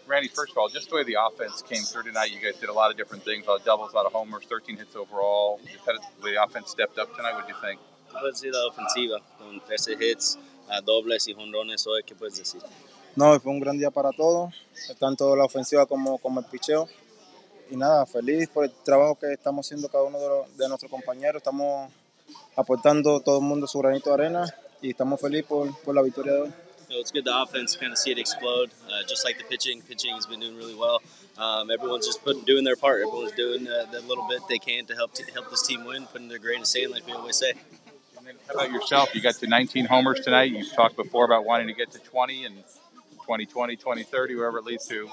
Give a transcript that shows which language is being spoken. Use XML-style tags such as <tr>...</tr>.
<en>Randy, first of all, just the way the offense came through tonight, you guys did a lot of different things, a lot of doubles, a lot of homers, 13 hits overall. The offense stepped up tonight, what did you think?</en> <es>¿Qué puedes decir de la ofensiva? Con 13 hits, dobles y jonrones, ¿qué puedes decir? No, fue un gran día para todos, tanto la ofensiva como el picheo. Y nada, feliz por el trabajo que estamos haciendo cada uno de nuestros compañeros. Estamos aportando todo el mundo su granito de arena y estamos felices por la victoria de hoy.</es> <en>It's good the offense kind of see it explode, just like the pitching. Pitching has been doing really well. Everyone's just doing their part. Everyone's doing the little bit they can to help this team win, putting their grain of sand, like we always say. And then how about yourself? You got to 19 homers tonight. You talked before about wanting to get to 20 and 2020, 2030, wherever it leads to.</en>